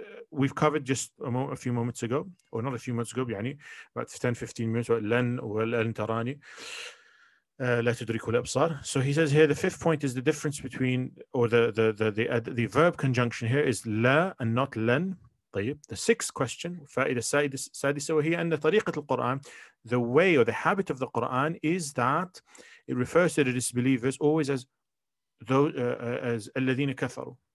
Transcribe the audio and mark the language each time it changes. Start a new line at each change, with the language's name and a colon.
English: We've covered just a few moments ago,
Arabic: يعني
English: about 10-15 minutes.
Arabic: لن ولن تراني لا تدرك الأبصار.
English: So he says here the 5th point is the difference between, or the verb conjunction here is لا and not لن. The 6th question,
Arabic: فائدة السادسة وهي أن طريقة القرآن,
English: the way or the habit of the Quran is that it refers to the disbelievers always as those as
Arabic: الذين كفروا.